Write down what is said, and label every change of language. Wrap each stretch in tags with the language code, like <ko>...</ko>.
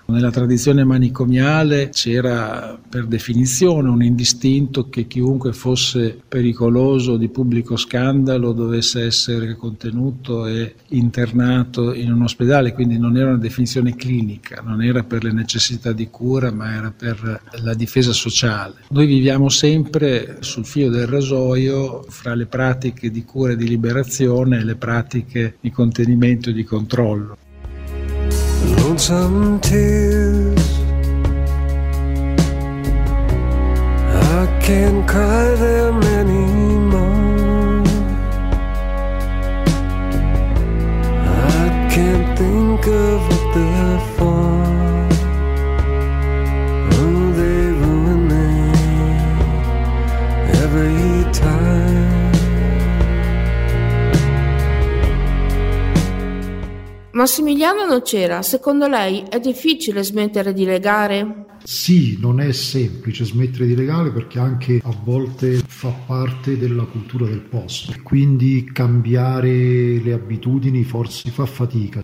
<it>Nella tradizione manicomiale c'era per definizione un indistinto che chiunque fosse pericoloso di pubblico scandalo dovesse essere contenuto e internato in un ospedale, quindi non era una definizione clinica, non era per le necessità di cura, ma era per la difesa sociale. Noi viviamo sempre sul filo del rasoio fra le pratiche di cura e di liberazione e le pratiche di contenimento e di controllo.</it> <en>Lonesome tears I can't cry them anymore. I can't think of what they're for. Oh, they ruin me every time.</en> <it>Massimiliano Nocera, secondo lei è difficile smettere di legare? Sì, non è semplice smettere di legare perché anche a volte fa parte della cultura del posto. Quindi cambiare le abitudini forse fa fatica.</it>